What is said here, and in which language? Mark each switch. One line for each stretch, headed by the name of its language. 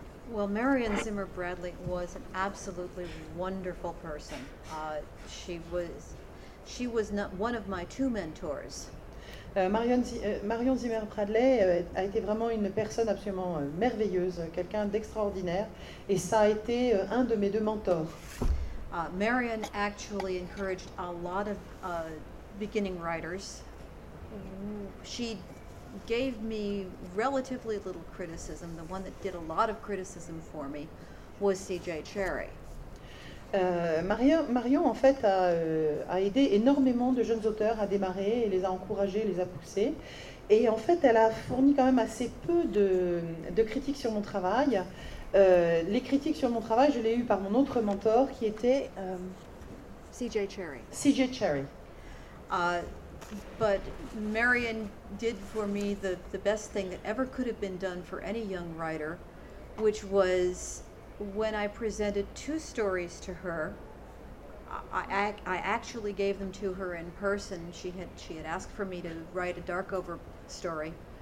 English: Well, Marion Zimmer Bradley was an absolutely wonderful person. She was not one of my two mentors.
French: Marion Zimmer Bradley a été vraiment une personne absolument merveilleuse, quelqu'un d'extraordinaire, et ça a été un de mes deux mentors.
English: Marion actually encouraged a lot of beginning writers. She gave me relatively little criticism. The one that did a lot of criticism for me was C.J. Cherry.
French: Marion en fait a aidé énormément de jeunes auteurs à démarrer, et les a encouragés, les a poussés, et en fait elle a fourni quand même assez peu de critiques sur mon travail. Les critiques sur mon travail, je l'ai eu par mon autre mentor qui était C.J. Cherry. C.J. Cherry.
English: But Marion did for me the best thing that ever could have been done for any young writer, which was when I presented 2 stories to her. I actually gave them to her in person. She had asked for me to write a Darkover story.